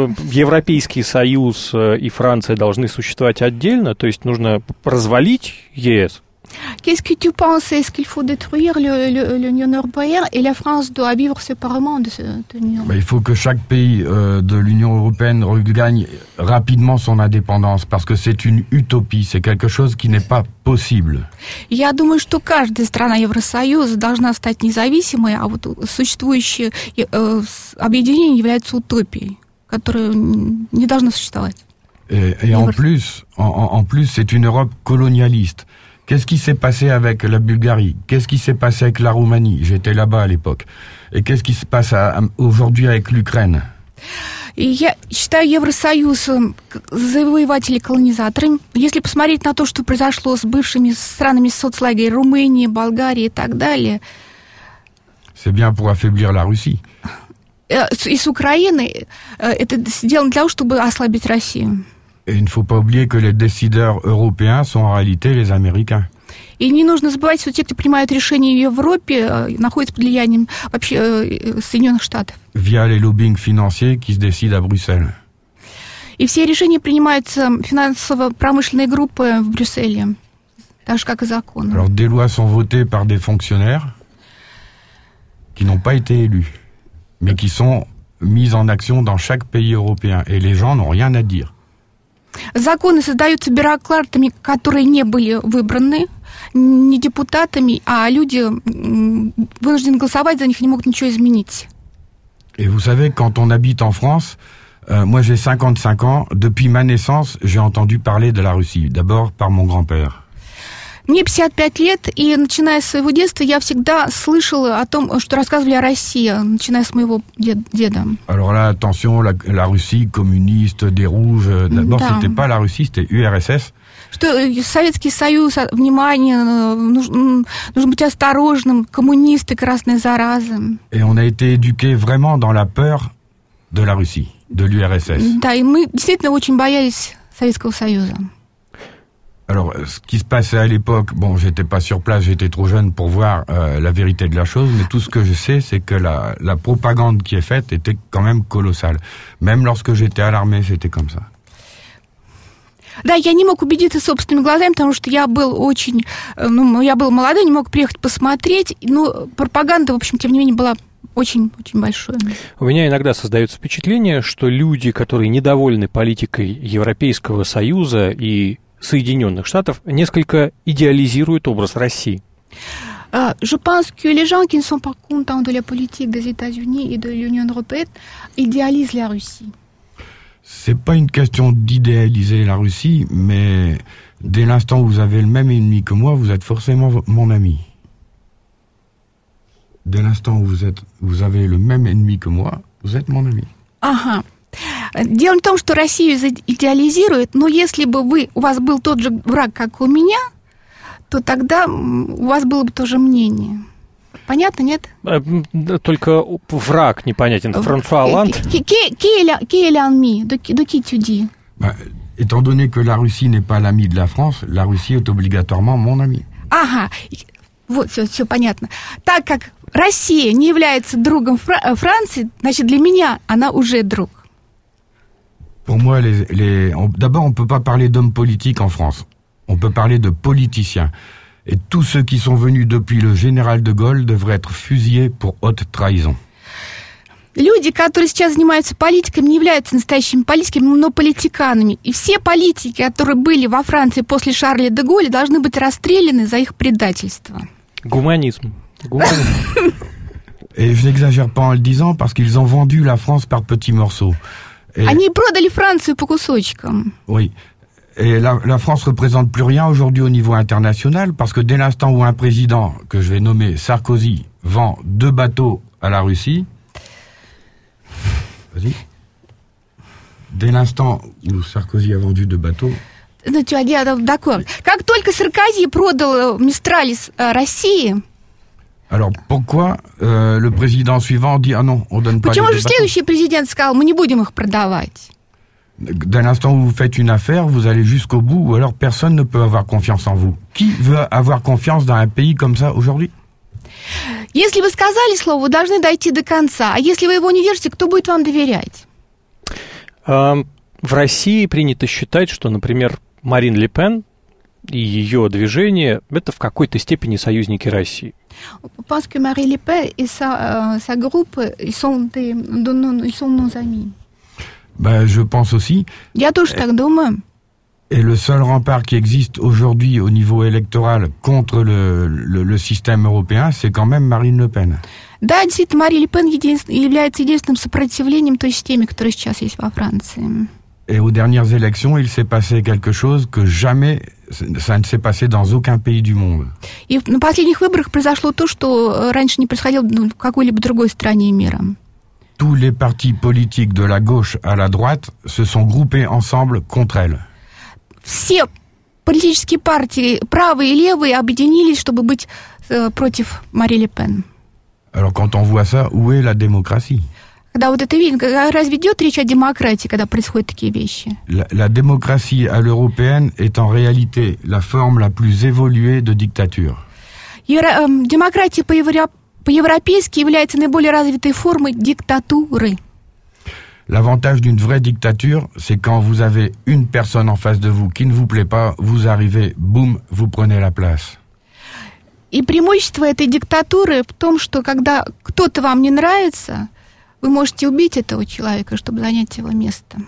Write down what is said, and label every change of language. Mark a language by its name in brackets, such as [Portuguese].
[Russian] Европейский Союз и Франция должны существовать отдельно, то есть нужно развалить ЕС. [French] Qu'est-ce que tu penses? Est-ce qu'il faut détruire l'Union européenne et la France doit vivre séparément de cette union? Il faut que chaque pays de l'Union européenne regagne rapidement son indépendance parce que c'est une utopie, c'est quelque chose qui n'est pas possible. [Russian] Я думаю, что каждая страна Евросоюза должна стать независимой, а вот существующее объединение является утопией, которая не должна существовать. [French] Et en plus, c'est une Europe colonialiste. Qu'est-ce qui s'est passé avec la Bulgarie? Qu'est-ce qui s'est passé avec la Roumanie? J'étais là-bas à l'époque. Et qu'est-ce qui se passe aujourd'hui avec l'Ukraine? [Russian] Я считаю Евросоюз завоевателем и колонизатором. Если посмотреть на то, что произошло с бывшими странами соцлагеря, Румынии, Болгарии и так далее. [French] C'est bien pour affaiblir la Russie. [Russian] И с Украины это сделано для того, чтобы ослабить Россию. [French] Et il ne faut pas oublier que les décideurs européens sont en réalité les Américains. Et [Russian] не нужно забывать, что те, кто принимают решения в Европе, находятся под влиянием вообще Соединенных Штатов. [French] Via les lobbying financiers qui se décident à Bruxelles. [Russian] И все решения принимаются финансово-промышленной группы в Брюсселе, так же, как и законы. [French] Alors, des lois sont votées par des fonctionnaires qui n'ont pas été élus, mais qui sont mises en action dans chaque pays européen, et les gens n'ont rien à dire. [Russian] Законы создаются бюрократами, которые не были выбраны не депутатами, а люди вынуждены голосовать за них, не могут ничего изменить. [French] Et vous savez, quand on habite en France, moi j'ai 55 ans, depuis ma naissance, j'ai entendu parler de la Russie, d'abord par mon grand-père. [Russian] Мне 55 лет, и начиная с своего детства, я всегда слышала о том, что рассказывали о России, начиная с моего деда. [French] Alors là, attention, la Russie communiste, des rouges, d'abord, [Russian] да. [French] C'était pas la Russie, c'était URSS. [Russian] Что Советский Союз, внимание, нужно быть осторожным, коммунисты, красные заразы. [French] Et on a été éduqués vraiment dans la peur de la Russie, de l'URSS. [Russian] Да, и мы действительно очень боялись Советского Союза. [French] Alors, ce qui se passait à l'époque, bon, j'étais pas sur place, j'étais trop jeune pour voir la vérité de la chose, mais tout ce que je sais, c'est que la propagande qui est faite était quand même colossale. Même lorsque j'étais à l'armée, c'était comme ça. [Russian] Да, я не мог убедиться собственными глазами, потому что я был очень, ну, я был молодой, не мог приехать посмотреть, но пропаганда, в общем, тем не менее, была очень-очень большой. У меня иногда создается впечатление, что люди, которые недовольны политикой Европейского Союза и Соединенных Штатов, несколько идеализируют образ России. [French] Je pense que les gens qui ne sont pas contents de la politique des États-Unis et de l'Union européenne idéalisent la Russie. C'est pas une question d'idéaliser la Russie, mais dès l'instant où vous avez le même ennemi que moi, vous êtes forcément mon ami. Dès l'instant où vous avez le même ennemi que moi, vous êtes mon ami. [Russian] Ага. Дело в том, что Россию идеализируют, но если бы у вас был тот же враг, как у меня, то тогда у вас было бы то же мнение. Понятно, нет? Только враг непонятен. Франсуа Олланд. Ки-ля-ми, ки-ля-ми. [French] Étant donné que la Russie n'est pas l'ami de la France, la Russie est obligatoirement mon ami. [Russian] Ага, вот все понятно. Так как Россия не является другом Франции, значит, для меня она уже друг. [French] Pour moi, d'abord, on ne peut pas parler d'hommes politiques en France. On peut parler de politiciens. Et tous ceux qui sont venus depuis le général de Gaulle devraient être fusillés pour haute trahison. [Russian] Люди, которые сейчас занимаются политикой, не являются настоящими политиками, но политиканами. И все политики, которые были во Франции после Шарля де Голля, должны быть расстреляны за их предательство. Гуманизм. [French] Et je n'exagère pas en le disant, parce qu'ils ont vendu la France par petits morceaux. [Russian] Они продали Францию по кусочкам. [French] Oui. Et la France représente plus rien aujourd'hui au niveau international, parce que dès l'instant où un président, que je vais nommer Sarkozy, vend deux bateaux à la Russie, vas-y. Dès l'instant où Sarkozy a vendu deux bateaux... D'accord. [Russian] Как только Саркози продал Мистраль России... [French] Alors, pourquoi le président suivant dit « Ah non, on donne pas les bateaux ?» [Russian] Почему же следующий президент сказал « Мы не будем их продавать ?» [French] Dès l'instant où vous faites une affaire, vous allez jusqu'au bout, ou alors personne ne peut avoir confiance en vous. Qui veut avoir confiance dans un pays comme ça aujourd'hui ? [Russian] Если вы сказали слово, вы должны дойти до конца. А если вы его не держите, кто будет вам доверять? В России принято считать, что, например, Марин Ле Пен и ее движение – это в какой-то степени союзники России. [French] Je pense que Marine Le Pen et sa groupe, ils sont nos amis. Ben, je pense aussi. [Russian] Я тоже так думаю. [French] Et le seul rempart qui existe aujourd'hui au niveau électoral contre le système européen, c'est quand même Marine Le Pen. [Russian] Да, действительно, Marine Le Pen является единственным сопротивлением той системе, которая сейчас есть во Франции. [French] Et aux dernières élections, il s'est passé quelque chose que jamais ça ne s'est passé dans aucun pays du monde. [Russian] И на последних выборах произошло то, что раньше не происходило в какой-либо другой стране мира. [French] Tous les partis politiques de la gauche à la droite se sont groupés ensemble contre elle. [Russian] Все политические партии, правые и левые, объединились, чтобы быть против Мари Ле Пен. [French] Alors quand on voit ça, où est la démocratie? [Russian] Да, вот это видно. Разве идет речь о демократии, когда происходят такие вещи? [French] La démocratie à l'européenne est en réalité la forme la plus évoluée de dictature. [Russian] Демократия по-европейски является наиболее развитой формой диктатуры. [French] L'avantage d'une vraie dictature, c'est quand vous avez une personne en face de vous qui ne vous plaît pas, vous arrivez, boum, vous prenez la place. [Russian] И преимущество этой диктатуры в том, что когда кто-то вам не нравится, вы можете убить этого человека, чтобы занять его место.